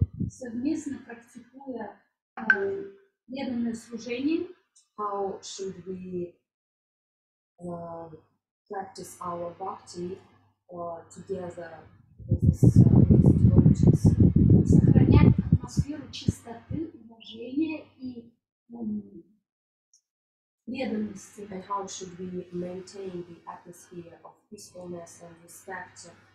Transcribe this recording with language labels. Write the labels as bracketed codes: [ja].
[ru] совместно практикуя преданное служение. [en] How should we practice our bhakti together with this [ru] сохранять атмосферу чистоты, уважения и преданности. [en] And how should we maintain the atmosphere of peacefulness and respect?